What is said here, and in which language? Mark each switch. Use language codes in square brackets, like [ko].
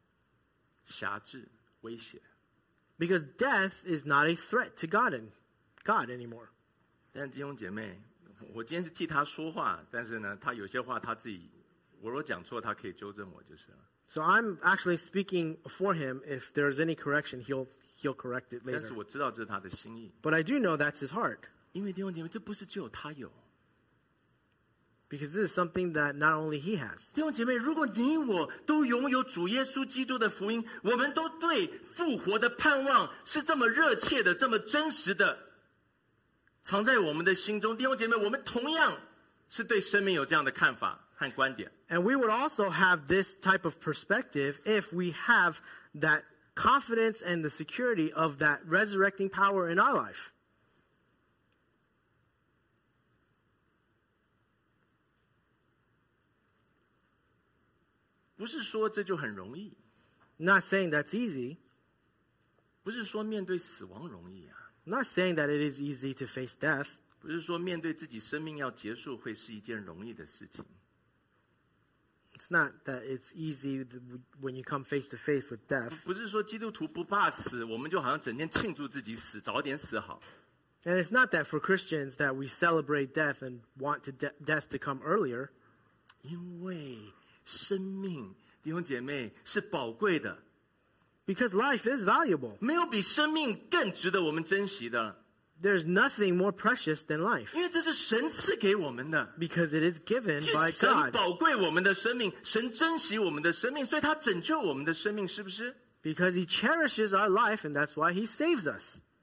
[zh] 因为死对他来讲,已经没有任何的瑕疵威胁。 [en] Because death is not a threat to God anymore. [zh] 但弟兄姐妹, 我今天是替他说话,但是呢,他有些话他自己,我若讲错,他可以纠正我就是了。 [en] So I'm actually speaking for him. If there's any correction, he'll correct it later. [zh] 但是我知道这是他的心意。 [en] But I do know that's his heart. [zh] 因为弟兄姐妹,这不是只有他有。 [en] Because this is something that not only he has. [zh] 弟兄姐妹,如果你我都拥有主耶稣基督的福音,我们都对复活的盼望是这么热切的,这么真实的。藏在我们的心中,弟兄姐妹,我们同样是对生命有这样的看法和观点。 [en] And we would also have this type of perspective if we have that confidence and the security of that resurrecting power in our life. [zh] 不是说这就很容易。 [en] Not saying that's easy. [zh] 不是说面对死亡容易啊。 [en] Not saying that it is easy to face death. [zh] 不是说面对自己生命要结束会是一件容易的事情。 [en] It's not that it's easy when you come face to face with death. [zh] 不是说基督徒不怕死,我们就好像整天庆祝自己死,早点死好。 [en] And it's not that for Christians that we celebrate death and want to death to come earlier. [zh] 因为生命,弟兄姐妹,是宝贵的。 [en] Because life is valuable. [zh] 没有比生命更值得我们珍惜的。 [en] There's nothing more precious than life. [zh] 因为这是神赐给我们的。 [en] Because it is given by God. [zh] 神宝贵我们的生命,神珍惜我们的生命,所以他拯救我们的生命,是不是? [en] Because he cherishes our life and that's why he saves us.